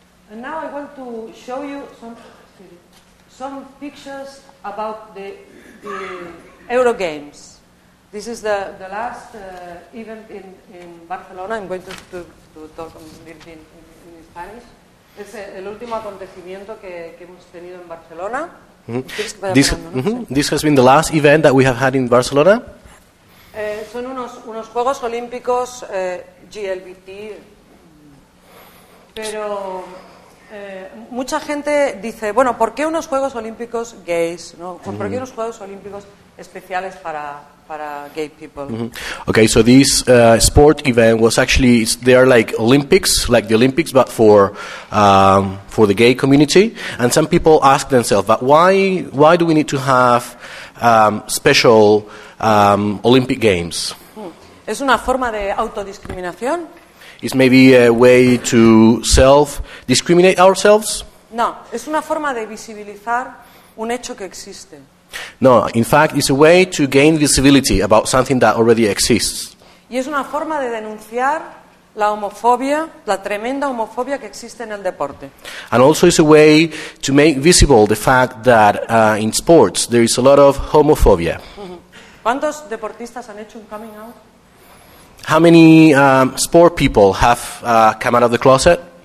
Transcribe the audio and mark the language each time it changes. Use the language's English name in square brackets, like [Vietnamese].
[English] And now I want to show you some pictures about the Euro Games. This is the last event in Barcelona. I'm going to talk a little bit in Spanish. [Spanish] Es el último acontecimiento que hemos tenido en Barcelona. [English] This has been the last event that we have had in Barcelona. [Spanish] Son unos Juegos Olímpicos GLBT. Pero mucha gente dice, bueno, ¿por qué unos Juegos Olímpicos gays? ¿No? ¿Por qué unos Juegos Olímpicos especiales para [English] gay people? Mm-hmm. Okay, so this sport event was actually, they are like Olympics, like the Olympics, but for the gay community. And some people ask themselves, but why do we need to have special Olympic games? [Spanish] Mm. ¿Es una forma de autodiscriminación? [English] Is maybe a way to self-discriminate ourselves? [Spanish] No, es una forma de visibilizar un hecho que existe. [English] No, in fact, it's a way to gain visibility about something that already exists. [Spanish] Y es una forma de denunciar la homofobia, la tremenda homofobia que existe en el deporte. [English] And also it's a way to make visible the fact that in sports there is a lot of homophobia. [Spanish] Mm-hmm. ¿Cuántos deportistas han hecho un coming out? [English] How many sport people have come out of the closet?